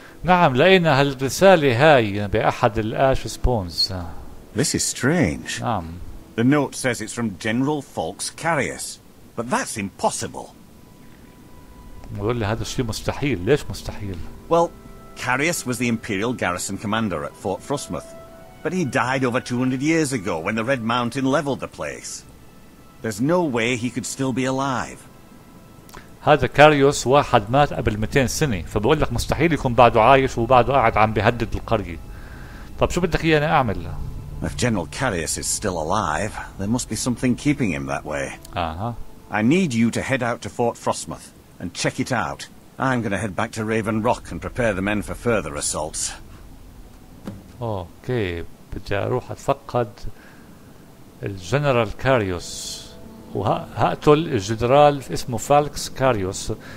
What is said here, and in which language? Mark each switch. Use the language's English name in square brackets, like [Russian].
[Arabic] نعم لقينا هالرسالة هاي بأحد الاش سبونز. [English] This is strange. [Arabic] نعم. [English] The note says it's from General Falks Carius. But that's impossible. [Arabic] بقول لي هذا الشيء مستحيل. ليش مستحيل؟ [English] Well, Carius was the Imperial Garrison Commander at Fort Frostmoth. But he died over 200 years ago when the Red Mountain leveled the place. There's no way he could still be alive. [Arabic] هذا كاريوس واحد مات قبل 200 سنة فبقول لك مستحيل يكون بعده عايش وبعده قاعد عم بيهدد القرية. طب شو بدك اياني اعمل؟ [English] If General Carius is still alive, there must be something keeping him that way. I need you to head out to Fort Frostmoth and check it out. I'm going to head back to Raven Rock and prepare the men for further assaults. [Arabic] اوكي بدي اروح اتفقد الجنرال كاريوس وهقتل الجنرال اسمه فالكس كاريوس.